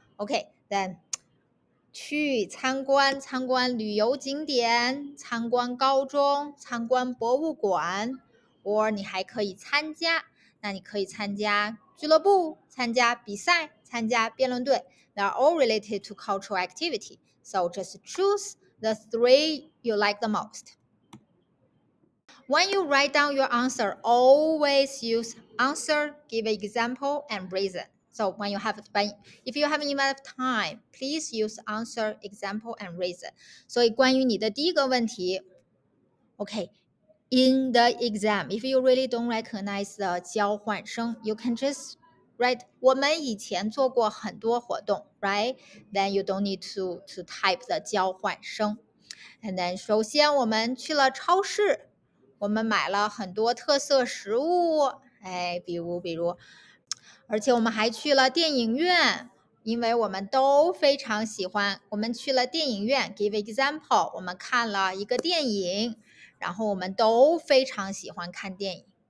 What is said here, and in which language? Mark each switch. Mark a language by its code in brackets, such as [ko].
[zh] OK, then, 去参观，参观旅游景点，参观高中，参观博物馆， or 你还可以参加，那你可以参加俱乐部，参加比赛，参加辩论队。 [en] They are all related to cultural activity. So just choose the three you like the most. When you write down your answer, always use answer, give an example, and reason. So when you have, if you have enough time, please use answer, example, and reason. [zh] 所以关于你的第一个问题 [en] okay, in the exam, if you really don't recognize the 交换生, you can just write, [zh] 我们以前做过很多活动, [en] right? Then you don't need to type the 交换生. [zh] And then 首先我们去了超市。我们买了很多特色食物，哎，比如，而且我们还去了电影院，因为我们都非常喜欢。我们去了电影院 ， [en] give example， [zh] 我们看了一个电影，然后我们都非常喜欢看电影。